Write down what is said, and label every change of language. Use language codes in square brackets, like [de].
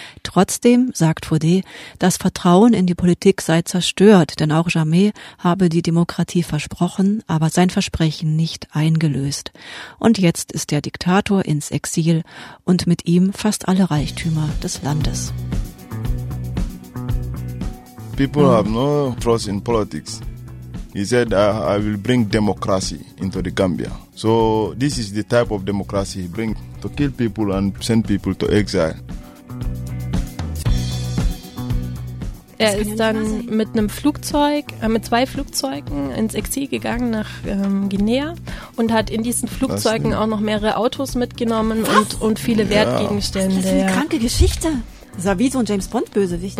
[de] Trotzdem, sagt Fode, das Vertrauen in die Politik sei zerstört, denn auch Jammeh habe die Demokratie versprochen, aber sein Versprechen nicht eingelöst. Und jetzt ist der Diktator ins Exil und mit ihm fast alle Reichtümer des Landes. [en] People have no trust in politics. He said, I will bring democracy into the Gambia. So this is the type of democracy he brings, to kill people and send people to exile. [de] Er ist dann mit einem Flugzeug, mit zwei Flugzeugen ins Exil gegangen nach Guinea und hat in diesen Flugzeugen auch noch mehrere Autos mitgenommen und viele Wertgegenstände. Das ist eine kranke Geschichte. Das war wie so ein James-Bond-Bösewicht.